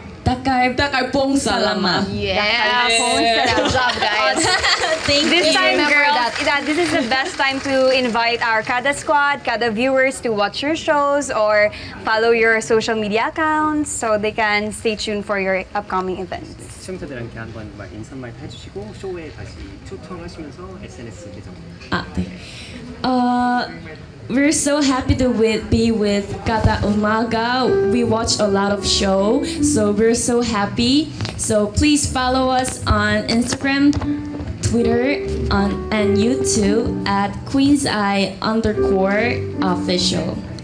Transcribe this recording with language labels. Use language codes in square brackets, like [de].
[pam] Dakal pong salamat. [en] Yes. Good job, guys. Thank you. This is the best time to invite our Kada squad, Kada viewers to watch your shows or follow your social media accounts so they can stay tuned for your upcoming events. [ko] 시청자들한테 한번 인사 말 해주시고 쇼에 다시 초청하시면서 SNS 계정. 아, 네. [en] We're so happy to be with Kada Umaga. We watch a lot of show, so we're so happy. So please follow us on Instagram, Twitter, and YouTube at Queenz Eye _ official.